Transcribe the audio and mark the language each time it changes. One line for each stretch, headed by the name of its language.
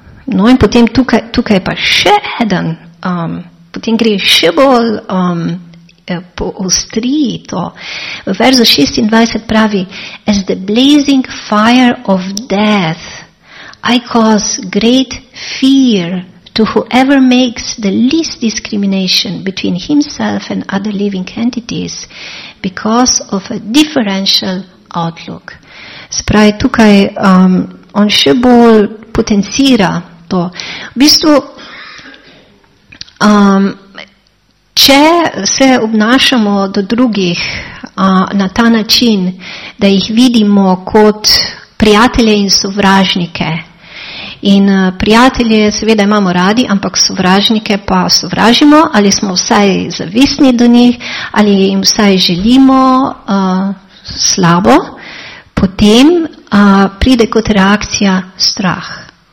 Slovenian: No in potem tukaj pa še eden, potem gre še bolj po ostriji to. V verzu 26 pravi:
English: "As the blazing fire of death, I cause great fear to whoever makes the least discrimination between himself and other living entities because of a differential outlook."
Slovenian: Spravi tukaj on še bolj potencira to. V bistvu, če se obnašamo do drugih na ta način, da jih vidimo kot prijatelje in sovražnike, in prijatelje seveda imamo radi, ampak sovražnike pa sovražimo, ali smo vsaj zavisni do njih, ali jim vsaj želimo slabo, potem pride kot reakcija strah.